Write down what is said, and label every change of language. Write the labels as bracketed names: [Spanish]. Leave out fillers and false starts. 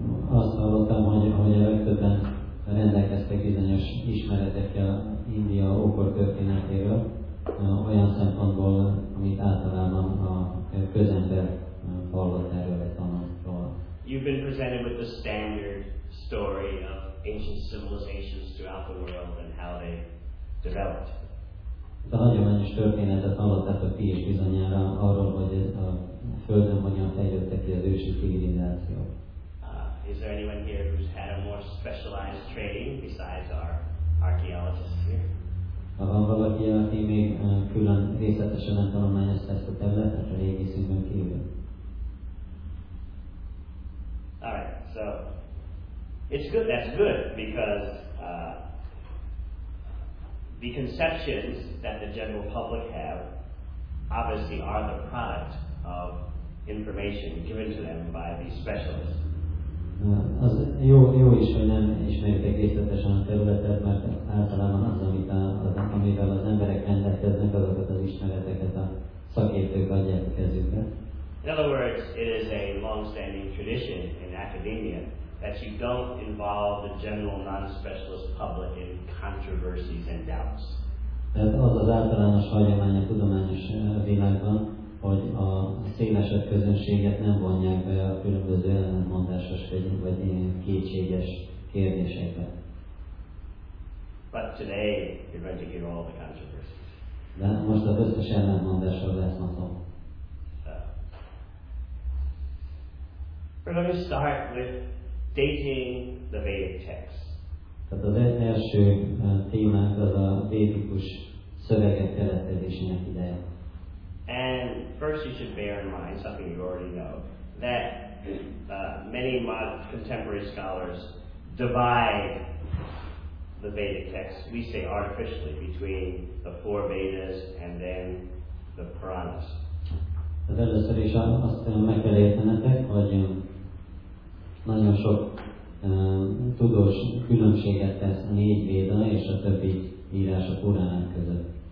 [Hungarian] Azt hallottam, hogy a legtöbben rendelkeztek bizonyos ismeretekkel India ókor történetéről, olyan szempontból, amit általában a közember hallott erről egy tanulmányról. [English] You've been presented with the standard story of ancient civilizations throughout the world and how they developed. [Hungarian] Ez a hagyományos történetet hallottátok ti is bizonyára arról, hogy ez a Földön hogyan fejlődtek ki az ősi civilizációk. [English] Is there anyone here who's had a more specialized training besides our archaeologists here? [Hungarian] Ha van valaki, aki még külön részletesen nem tanulmányozta ezt a területet, a régészünkön kívül. [English] All right, so it's good, that's good, because the conceptions that the general public have obviously are the product of information given to them by the specialists. [Hungarian] Az jó is, hogy nem ismerjétek részletesen a területet, mert általában az, amivel az emberek rendelkeznek, azokat az ismereteket a szakértők adják a kezükbe. [English] In other words, it is a long-standing tradition in academia that you don't involve the general non-specialist public in controversies and doubts. [Hungarian] Tehát az az általános hagyomány a tudományos világban, hogy a szélesebb közönséget nem vonják be a különböző ellentmondásos vagy kétséges kérdésekbe. [English] But today you're going to hear all the controversies. [Hungarian] De most az összes ellentmondásról lesz ma szó. [English] We're going to start with dating the Vedic texts. [Hungarian] Tehát az első témánk az a védikus szövegek keletkezésének ideje. [English] And first you should bear in mind something you already know, that many modern contemporary scholars divide the Vedic texts, we say artificially, between the four Vedas and then the Puranas. [Hungarian] Az először is azt meg kell értenetek, hogy nagyon sok tudós különbséget tesz a négy Véda és a többi írás a Puranák között.